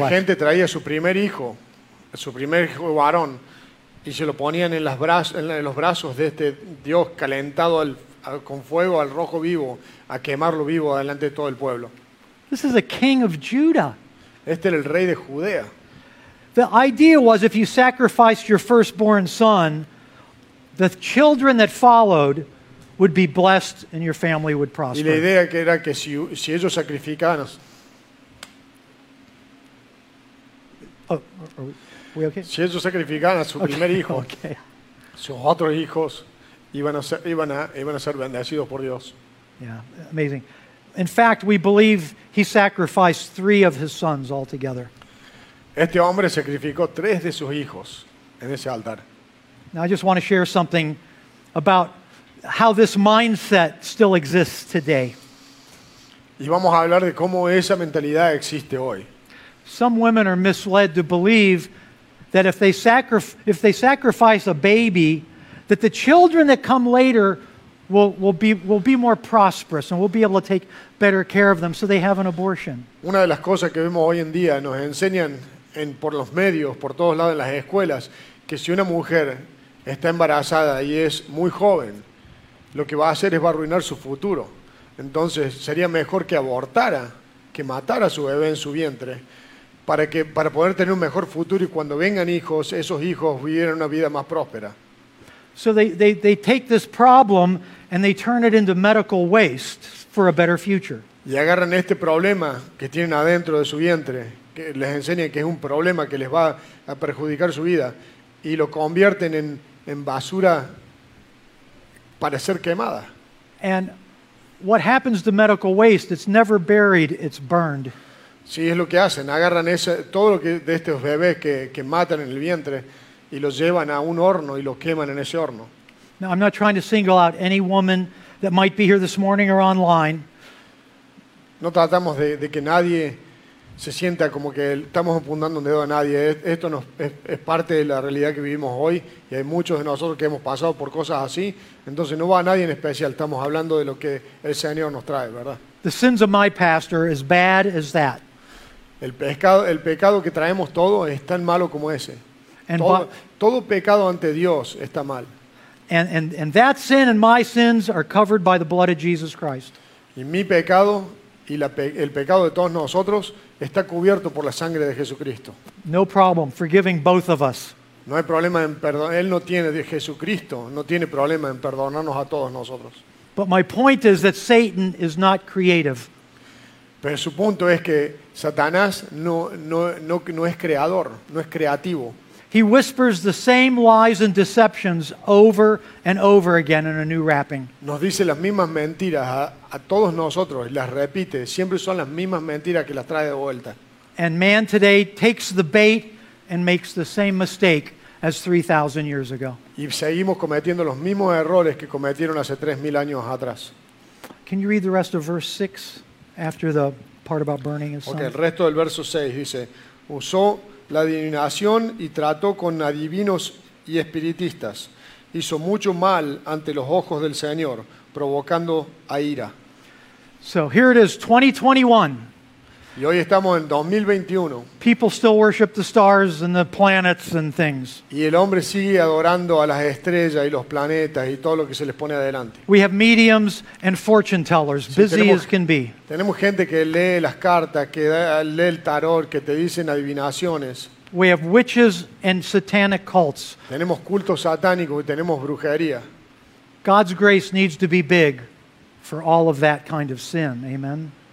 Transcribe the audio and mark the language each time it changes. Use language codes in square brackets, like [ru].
[es] Y la gente traía su primer hijo varón, y se lo ponían en los brazos de este dios calentado con fuego al rojo vivo, a quemarlo vivo delante de todo el pueblo. [en] This is a king of Judah. [es] Este era el rey de Judea. [en] The idea was, if you sacrificed your firstborn son, the children that followed would be blessed and your family would prosper. [es] Y la idea que era que si ellos sacrificaban... [en] Oh, are we okay? [es] Si ellos sacrificaban a su primer hijo, sus otros hijos iban a ser bendecidos por Dios. [en] Yeah, amazing. In fact, we believe he sacrificed three of his sons altogether. [es] Este hombre sacrificó tres de sus hijos en ese altar. [en] Now I just want to share something about how this mindset still exists today. [es] Y vamos a hablar de cómo esa mentalidad existe hoy. [en] Some women are misled to believe that if they sacrifice a baby, that the children that come later will be more prosperous and will be able to take better care of them, so they have an abortion. [es] Una de las cosas que vemos hoy en día nos enseñan por los medios, por todos lados, en las escuelas, que si una mujer está embarazada y es muy joven, lo que va a hacer es va a arruinar su futuro. Entonces sería mejor que abortara, que matara a su bebé en su vientre, para poder tener un mejor futuro, y cuando vengan hijos, esos hijos vivieran una vida más próspera. [en] So they take this problem and they turn it into medical waste for a better future. [es] Y agarran este problema que tienen adentro de su vientre, que les enseñan que es un problema que les va a perjudicar su vida, y lo convierten en basura para ser quemada. [en] And what happens to medical waste? It's never buried, it's burned. [es] Sí, es lo que hacen. Agarran todo lo que de estos bebés que matan en el vientre, y lo llevan a un horno y lo queman en ese horno. [en] Now, I'm not trying to single out any woman that might be here this morning or online. [es] No tratamos de que nadie se sienta como que estamos apuntando un dedo a nadie. Esto es parte de la realidad que vivimos hoy, y hay muchos de nosotros que hemos pasado por cosas así. Entonces no va a nadie en especial. Estamos hablando de lo que el Señor nos trae, ¿verdad? [en] The sins of my pastor as bad as that. [es] El pecado que traemos todo es tan malo como ese. Todo pecado ante Dios está mal. [en] And that sin and my sins are covered by the blood of Jesus Christ. [es] Y mi pecado y el pecado de todos nosotros está cubierto por la sangre de Jesucristo. [en] No problem forgiving both of us. [es] No hay problema en perdonar. Él no tiene, de Jesucristo, no tiene problema en perdonarnos a todos nosotros. [en] But my point is that Satan is not creative. [es] Pero su punto es que Satanás no es creador, no es creativo. [en] He whispers the same lies and deceptions over and over again in a new wrapping. [es] Nos dice las mismas mentiras a todos nosotros, las repite. Siempre son las mismas mentiras que las trae de vuelta. [en] And man today takes the bait and makes the same mistake as 3,000 years ago. [es] Y seguimos cometiendo los mismos errores que cometieron hace 3,000 años atrás. [en] Can you read the rest of verse 6 after the part about burning his son? [es] Okay, el resto del verso 6 dice, usó la adivinación y trató con adivinos y espiritistas. Hizo mucho mal ante los ojos del Señor, provocando a ira. [en] So here it is, 2021. [es] Y hoy estamos en 2021. [en] People still worship the stars and the planets and things. [es] Y el hombre sigue adorando a las estrellas y los planetas y todo lo que se les pone adelante. [en] We have mediums and fortune tellers, busy as can be. [es] Tenemos gente que lee las cartas, que lee el tarot, que te dicen adivinaciones. [en] We have witches and satanic cults. [es] Tenemos cultos satánicos y tenemos brujería. [en] God's grace needs to be big for all of that kind of sin. Amen.